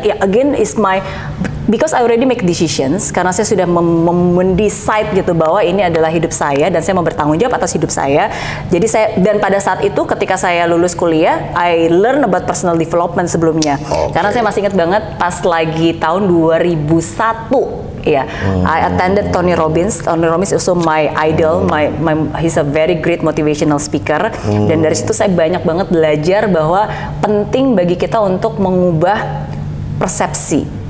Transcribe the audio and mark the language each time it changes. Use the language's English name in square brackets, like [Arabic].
[Indonesian] Ya, [English] again is my because I already make decisions, [Indonesian] karena saya sudah mendecide gitu bahwa ini adalah hidup saya dan saya mau bertanggung jawab atas hidup saya. Jadi saya, dan pada saat itu ketika saya lulus kuliah, [English] I learn about personal development [Indonesian] sebelumnya. Okay. Karena saya masih ingat banget pas lagi tahun 2001. [English] Ya, I attended Tony Robbins. Tony Robbins also my idol. He's a very great motivational speaker. [Indonesian] Dan dari situ saya banyak banget belajar bahwa penting bagi kita untuk mengubah persepsi.